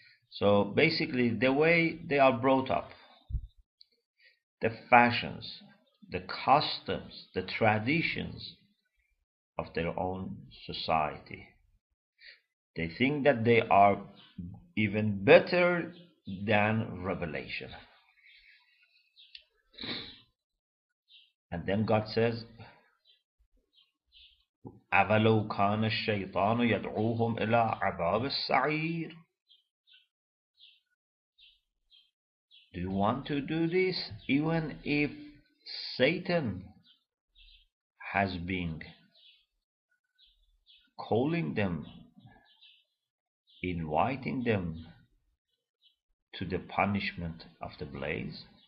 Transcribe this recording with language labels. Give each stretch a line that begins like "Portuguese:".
English: So basically the way they are brought up, the fashions, the customs, the traditions of their own society. They think that they are even better than revelation. And then God says,
Arabic: أَوَلَوْ كَانَ الشَّيْطَانُ يَدْعُوهُمْ إِلَىٰ عَذَابِ السَّعِيرِ.
English: Do you want to do this even if Satan has been calling them, inviting them to the punishment of the blaze?